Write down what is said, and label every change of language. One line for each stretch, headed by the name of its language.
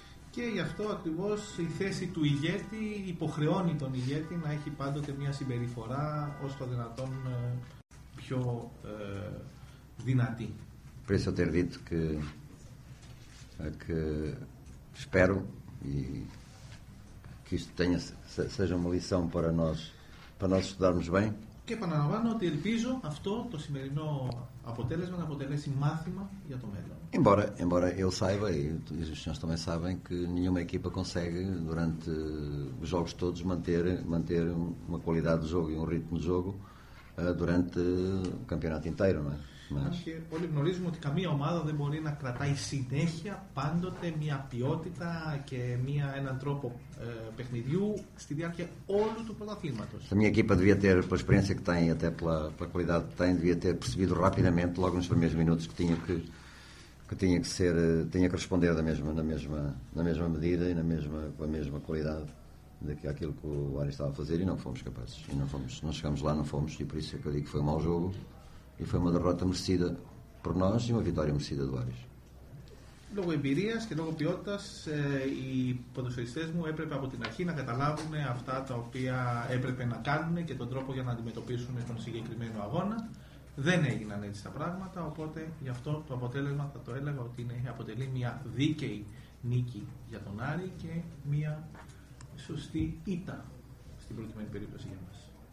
Greek: Και γι' αυτό ακριβώς η θέση του ηγέτη υποχρεώνει τον ηγέτη να έχει πάντοτε μια συμπεριφορά ως το δυνατόν πιο δυνατή.
Portuguese: Preciso ter dito que, espero e que isto tenha, seja uma lição para nós, estudarmos bem.
Greek: Και επαναλαμβάνω ότι ελπίζω αυτό το σημερινό αποτέλεσμα να αποτελέσει μάθημα για το μέλλον.
Portuguese: Embora eu saiba, e os senhores também sabem, que nenhuma equipa consegue, durante os jogos todos, manter uma qualidade de jogo e um ritmo de jogo durante o campeonato inteiro, não é? Mas...
Greek: Όλοι γνωρίζουμε ότι καμία ομάδα δεν μπορεί να κρατάει συνέχεια πάντοτε μια ποιότητα και έναν τρόπο παιχνιδιού στη διάρκεια όλου του πρωταθλήματος.
Portuguese: A minha equipa devia ter, pela experiência que tem, até pela qualidade que tem, devia ter percebido rapidamente, logo nos primeiros minutos, que tinha que responder na mesma medida e com a mesma qualidade daquilo que o Ari estava a fazer, e não fomos capazes. E não fomos, não chegamos lá, não fomos, e por isso é que eu digo que foi um mau jogo e foi uma derrota merecida por nós e uma vitória merecida do Ari.
Greek: Logo empirias e logo piotas, οι ποδοσφαιριστές μου έπρεπε από την αρχή να καταλάβουν αυτά τα οποία έπρεπε να κάνουν και τον τρόπο για να αντιμετωπίσουν τον συγκεκριμένο αγώνα. Δεν έγιναν έτσι τα πράγματα, οπότε γι' αυτό το αποτέλεσμα θα το έλεγα ότι αποτελεί μια δίκαιη νίκη για τον Άρη και μια σωστή ήττα στην προκειμένη περίπτωση για μας.